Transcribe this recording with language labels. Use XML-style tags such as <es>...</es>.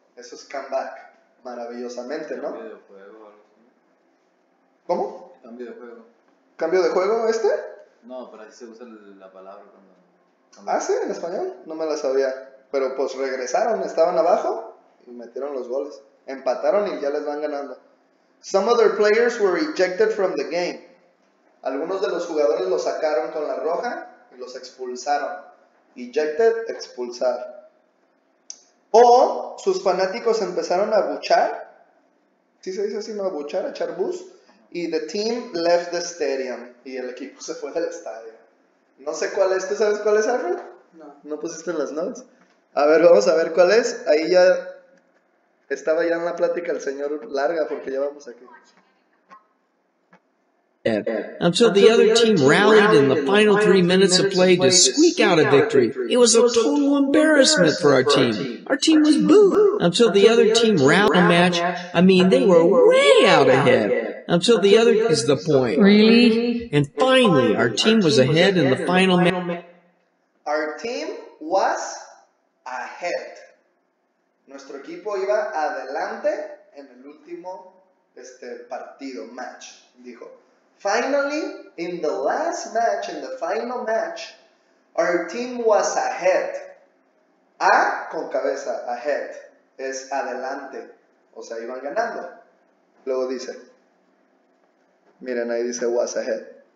<es>Eso es comeback, maravillosamente, ¿no? ¿Cómo? Cambio de juego. ¿Cambio de juego este? No, pero así se usa la palabra. ¿Ah, sí? ¿En español? No me la sabía. Pero pues regresaron, estaban abajo y metieron los goles. Empataron y ya les van ganando.</es> <en>Some other players were ejected from the game.</en> <es>Algunos de los jugadores los sacaron con la roja y los expulsaron. Ejected, expulsar. O sus fanáticos empezaron a abuchar. ¿Sí se dice así? ¿No? ¿Abuchar? ¿Echar bus? Y</es> <en>the team left the stadium.</en> <es>Y el equipo se fue del estadio. No sé cuál es. ¿Tú sabes cuál es, Alfred? No. ¿No pusiste en las notes? A ver, vamos a ver cuál es. Ahí ya estaba ya en la plática el señor Larga, porque ya vamos aquí.</es> <en>Ed, until the other team rallied in the final 3 minutes of play to squeak out a victory. It was a total embarrassment for our team. Our team was booed. Until the other team rallied the match, I mean, they were way out ahead. Until the other is the point. Really? And finally, our team was ahead in the final match. Our team was ahead.</en> <es>Nuestro equipo iba adelante en el último partido, match, dijo.</es> <en>Finally, in the last match, in the final match, our team was ahead.</en> <es>A, con cabeza, ahead, es adelante. O sea, iban ganando. Luego dice, miren, ahí dice,</es> <en>was ahead.</en>